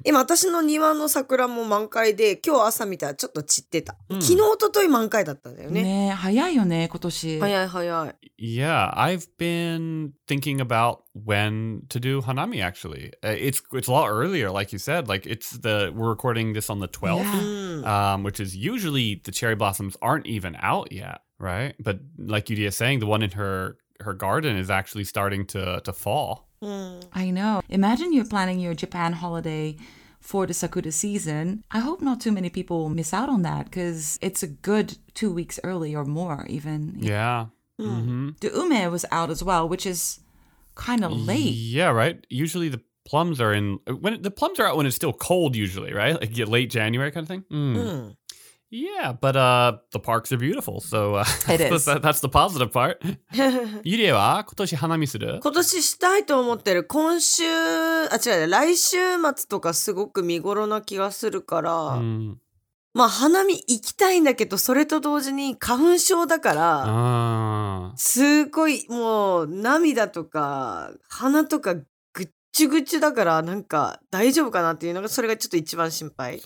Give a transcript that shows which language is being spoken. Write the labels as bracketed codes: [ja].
[ja] 今私の庭の桜も満開で、今日朝見たらちょっと散ってた。昨日、一昨日満開だったんだよね。ね、早いよね、今年。早い早い。 [en] Yeah, I've been thinking about when to do hanami, actually. It's a lot earlier, like you said. Like, we're recording this on the 12th, which is usually the cherry blossoms aren't even out yet, right? But like Yuri is saying, the one in her garden is actually starting to fall. I know. Imagine you're planning your Japan holiday for the Sakura season. I hope not too many people will miss out on that because it's a good 2 weeks early or more even. Yeah. Mm-hmm. The ume was out as well, which is kind of late. Yeah, right? Usually the plums are in... The plums are out when it's still cold usually, right? Like late January kind of thing. Yeah, but the parks are beautiful, so that's the positive part. [ja] ゆりえは今年花見する？今年したいと思ってる。今週、あ、違う、来週末とかすごく見頃な気がするから、まあ花見行きたいんだけど、それと同時に花粉症だから、すごいもう涙とか鼻とかぐちゅぐちゅだからなんか大丈夫かなっていうのがそれがちょっと一番心配